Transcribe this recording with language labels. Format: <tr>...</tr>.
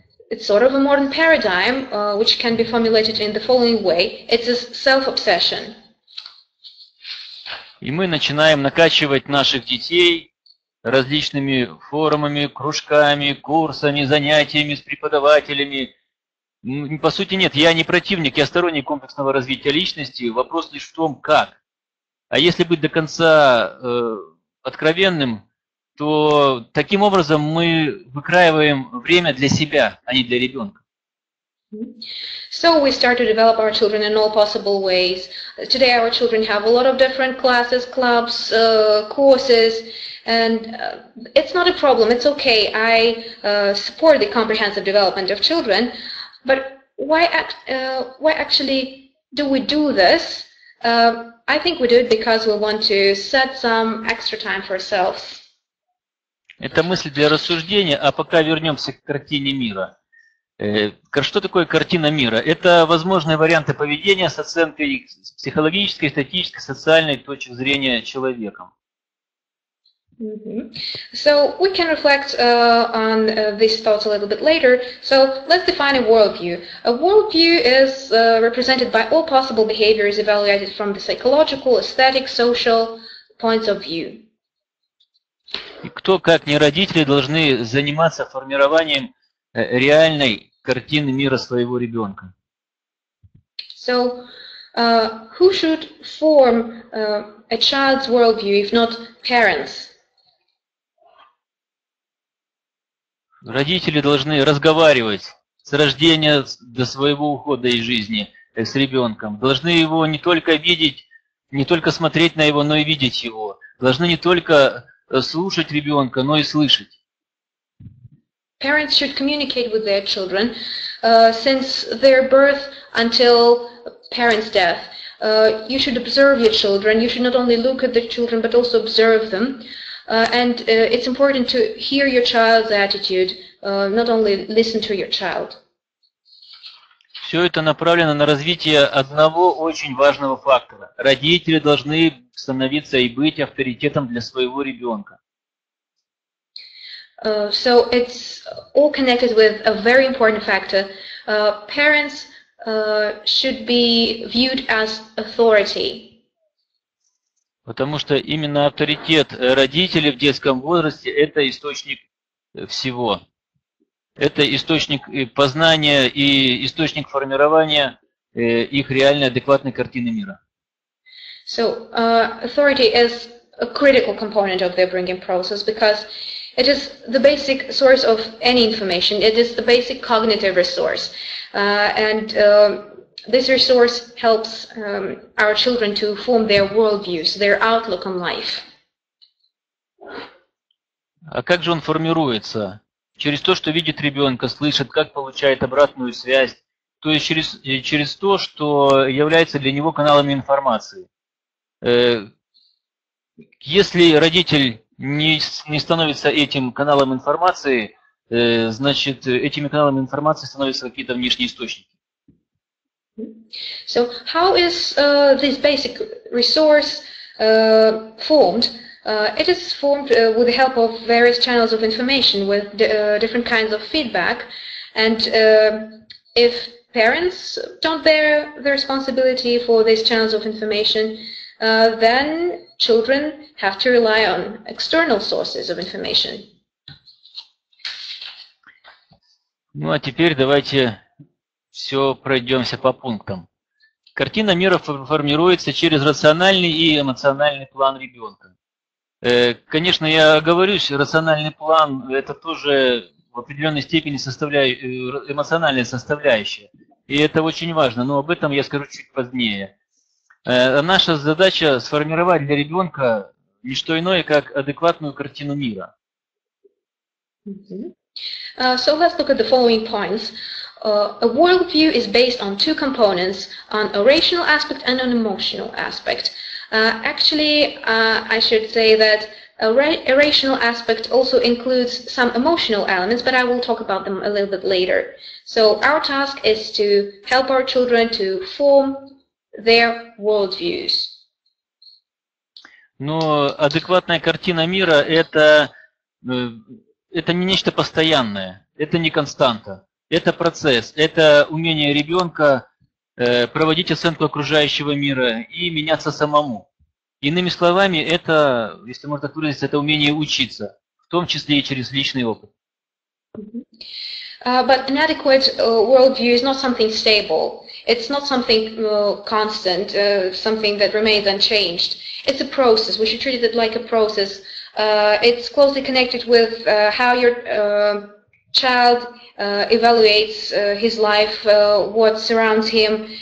<en>It's sort of a modern paradigm, which can be formulated in the following way. It's a self-obsession.</en> <ru>И мы начинаем накачивать наших детей различными форумами, кружками, курсами, занятиями с преподавателями. По сути, нет, я не противник, я сторонник комплексного развития личности. Вопрос лишь в том, как. А если быть до конца откровенным, то таким образом мы выкраиваем время для себя, а не для ребенка.</ru> <en>So we start to develop our children in all possible ways. Today our children have a lot of different classes, clubs, courses, and it's not a problem, it's okay. I support the comprehensive development of children, but why actually do we do this? I think we do it because we want to set some extra time for ourselves.</en> <ru>Это мысль для рассуждения, а пока вернемся к картине мира. Что такое картина мира? Это возможные варианты поведения с оценкой психологической, статической, социальной точки зрения человека.</ru> <en>So we can reflect on these thoughts a little bit later. So let's define a worldview. A worldview is represented by all possible behaviors evaluated from the psychological, aesthetic, social points of view.</en> <ru>И кто, как не родители, должны заниматься формированием реальной картины мира своего ребенка?</ru> <en>So, who should form a child's worldview, if not parents?</en> <ru>Родители должны разговаривать с рождения до своего ухода из жизни с ребенком. Должны его не только видеть, не только смотреть на его, но и видеть его. Должны не только слушать ребенка, но и слышать.</ru> <en>Parents should communicate with their children since their birth until parents' death. You should observe your children. You should not only look at the children, but also observe them. And it's important to hear your child's attitude, not only listen to your child.</en> <ru>Все это направлено на развитие одного очень важного фактора. Родители должны становиться и быть авторитетом для своего ребенка.</ru> <en>So it's all connected with a very important factor. Parents should be viewed as authority.</en> <ru>Потому что именно авторитет родителей в детском возрасте – это источник всего. Это источник познания и источник формирования их реальной адекватной картины мира.</ru> <en>So, authority is a critical component of the upbringing process because it is the basic source of any information. It is the basic cognitive resource. And this resource helps our children to form their worldviews, their outlook on life.</en> <ru>А как же он формируется? Через то, что видит ребенка, слышит, как получает обратную связь, то есть через то, что является для него каналами информации. Если родитель не становится этим каналом информации, значит, этими каналами информации становятся какие-то внешние источники.</ru> <en>So how is this basic resource formed? It is formed with the help of various channels of information, with different kinds of feedback. And if parents don't bear the responsibility for these channels of information, then children have to rely on external sources of information.</en> <ru>Ну а теперь давайте все пройдемся по пунктам. Картина мира формируется через рациональный и эмоциональный план ребенка. Конечно, я оговорюсь, рациональный план – это тоже в определенной степени эмоциональная составляющая. И это очень важно, но об этом я скажу чуть позднее. Наша задача – сформировать для ребенка не что иное, как адекватную картину мира.</ru> <en>So let's look at the following points. A worldview is based on two components, on a rational aspect and an emotional aspect. Actually, I should say that a rational aspect also includes some emotional elements, but I will talk about them a little bit later. So our task is to help our children to form their worldviews.</en> <ru>Но адекватная картина мира – это не нечто постоянное, это не константа, это процесс, это умение ребенка проводить оценку окружающего мира и меняться самому. Иными словами, это, если можно так выразиться, это умение учиться, в том числе и через личный опыт.</ru> <en>But an adequate worldview is not something stable. It's not something constant, something that remains unchanged. It's a process. We should treat it like a process. It's closely connected with how your child evaluates his life, what surrounds him.</en>